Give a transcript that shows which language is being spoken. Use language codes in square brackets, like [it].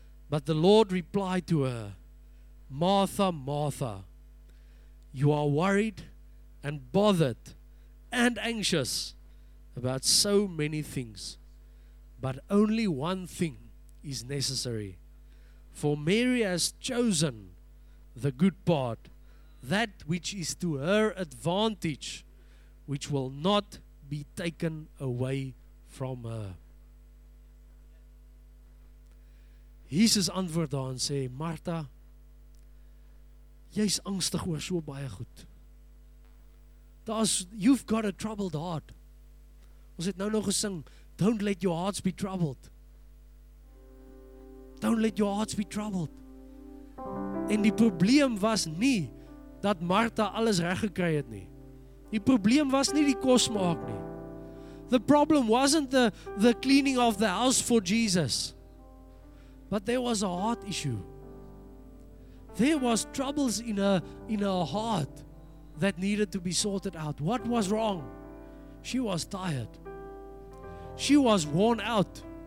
[en] But the Lord replied to her, Martha, Martha, you are worried and bothered and anxious about so many things, but only one thing is necessary. For Mary has chosen the good part, that which is to her advantage, which will not be taken away from her. [af] Jesus antwoord haar en sê, Martha, jy is angstig oor so baie goed. [en] You've got a troubled heart. [af] Ons het nou gesing, [en] don't let your hearts be troubled. Don't let your hearts be troubled. [af] En die probleem was nie dat Martha alles reg gekry het nie. Die probleem was nie die kos maak nie. [en] The problem wasn't the cleaning of the house for Jesus. But there was a heart issue. There was troubles in her heart that needed to be sorted out. What was wrong? She was tired. She was worn out.